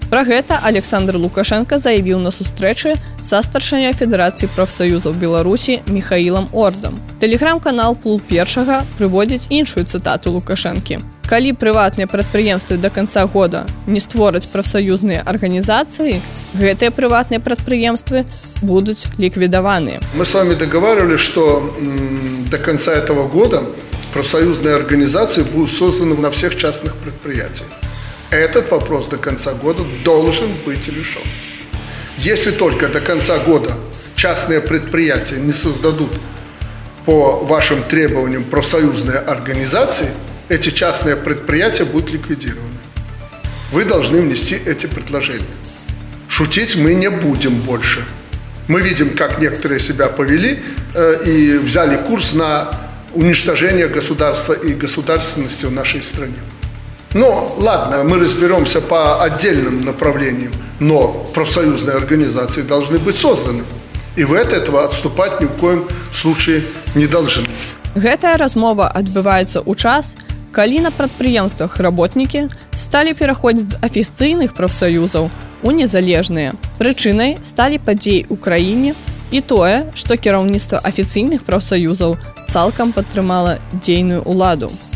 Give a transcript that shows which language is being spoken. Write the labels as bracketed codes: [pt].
[be] Пра гэта Александр Лукашэнка заявіў на сустрэчы са старшынёй Федэрацыі прафсаюзаў Беларусі Міхаілам Ордам. Тэлеграм-канал «Пул першага» прыводзіць іншую цытату Лукашэнкі. Калі прыватныя прадпрыемствы да канца года не створаць прафсаюзныя арганізацыі, гэтыя прыватныя прадпрыемствы будуць ліквідаваны. [ru] Мы с вами договаривали, что до конца этого года профсоюзные организации будут созданы на всех частных предприятиях. Этот вопрос до конца года должен быть решен. Если только до конца года частные предприятия не создадут по вашим требованиям профсоюзные организации, эти частные предприятия будут ликвидированы. Вы должны внести эти предложения. Шутить мы не будем больше. Мы видим, как некоторые себя повели и взяли курс на уничтожение государства и государственности в нашей стране. Но, ладно, мы разберемся по отдельным направлениям, но профсоюзные организации должны быть созданы. И вы от этого отступать ни в коем случае не должны. [be] Гэтая размова адбываецца ў час, калі на прадпрыемствах работнікі сталі пераходзіць з афіцыйных прафсаюзаў у незалежныя. Прычынай сталі падзеі ў краіне і тое, што кіраўніцтва афіцыйных прафсаюзаў цалкам падтрымала дзейную ўладу.